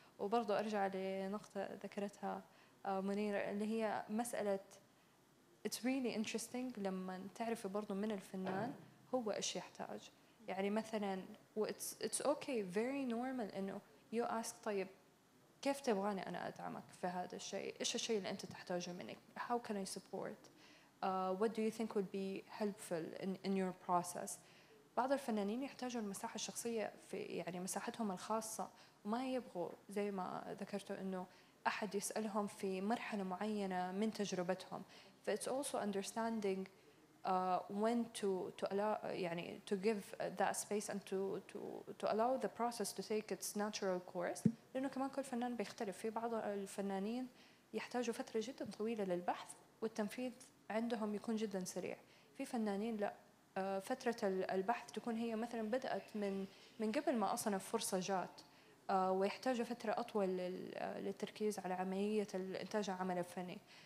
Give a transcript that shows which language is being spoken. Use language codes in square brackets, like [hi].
[ar] وبرضو أرجع لنقطة ذكرتها منيرة اللي هي مسألة [en] it's really interesting [ar] لما تعرف برضو من الفنان هو إيش يحتاج. يعني مثلاً [en] it's okay very normal [ar] إنه [en] you ask [ar] طيب كيف تبغاني أنا أدعمك في هذا الشيء؟ إيش الشيء اللي أنت تحتاجه مني؟ [en] How can I support? What do you think would be helpful in your process? [ar] بعض الفنانين يحتاجوا المساحة الشخصية في يعني مساحتهم الخاصة، وما يبغوا زي ما ذكرتوا إنه أحد يسألهم في مرحلة معينة من تجربتهم. [en] It's also understanding when to allow [ar] يعني [en] to give that space and to allow the process to take its natural course. [ar] لأنه كمان كل فنان بيختلف، في بعض الفنانين يحتاجوا فترة جدا طويلة للبحث والتنفيذ عندهم يكون جدا سريع، في فنانين لا فترة البحث تكون هي مثلا بدأت من قبل ما أصلا الفرصة جات ويحتاجوا فترة أطول للتركيز على عملية الإنتاج عمل الفني.